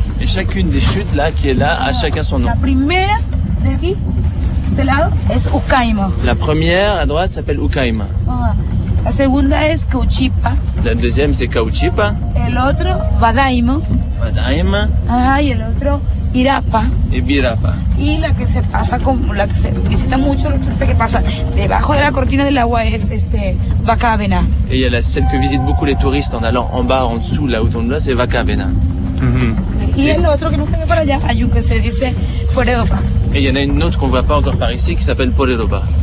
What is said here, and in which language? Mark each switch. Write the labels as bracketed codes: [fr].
[fr] Et chacune des chutes là, qui est là, a chacun son nom. [es] La primera de aquí, este lado, es Ucaima. [fr] La première à droite s'appelle Ucaima. [es] La segunda es Cauchipa. [fr] La deuxième c'est Cauchipa. [es] El otro Vadaima. Vadaima. Ajá, y el otro Irapa. Ibirapa. Y la que se pasa la que se visita mucho, la turista que pasa debajo de la cortina del agua es Vacavena. [fr] Et il y a celle que visitent beaucoup les touristes en allant en bas, en dessous, là où on voit, c'est Vacavena. Mm-hmm. [es] Sí. Y el otro que no se ve para allá, hay un que se dice Poreroba. [fr] Et il y en a une autre qu'on voit pas encore par ici qui s'appelle Poreroba.